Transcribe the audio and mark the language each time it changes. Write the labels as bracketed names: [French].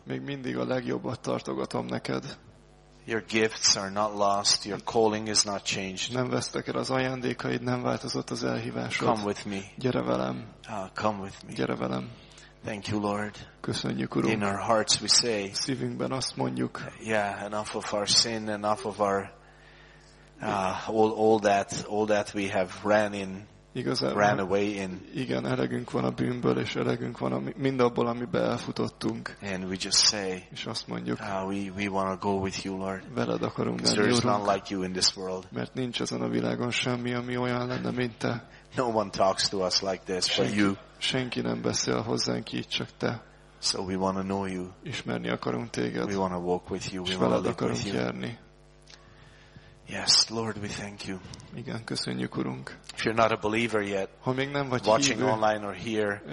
[Hungarian] Még mindig a legjobbat tartogatom neked. [English] Your gifts are not lost. Your calling is not changed. [Hungarian] Nem vesztek el az ajándékaid, nem változott az elhívásod. [English] Come with me. [Hungarian] Gyere velem. [English] Come with me. [Hungarian] Gyere velem. [English] Thank you, Lord. [Hungarian] Köszönjük, Urunk. [English] In our hearts we say. [Hungarian] Szívünkben azt mondjuk. [English] Yeah, enough of our sin, enough of our all that we have ran in. [Hungarian] Igazából, [English] ran away in. [Hungarian] Igen, elegünk van a bűnből és elegünk van mindabból, amibe elfutottunk. [English] And we just say. [Hungarian] És azt mondjuk. [English] We want to go with you, Lord. [Hungarian] Veled akarunk menni, Urunk. [English] There is none like you in this world. [Hungarian] Mert nincs ezen a világon semmi, ami olyan lenne, mint te. [English] No one talks to us like this, but you. [Hungarian] Senki nem beszél hozzánk így, csak te. [English] So we want to know you. [Hungarian] Ismerni akarunk téged. [English] We want to walk with you. [Hungarian] És veled akarunk járni. [English] Yes, Lord, we thank you. [Hungarian] Igen, köszönjük, Urunk. [English] If you're not a believer yet, [Hungarian] ha még nem vagy [English] watching [Hungarian] hívő, [English] online or here,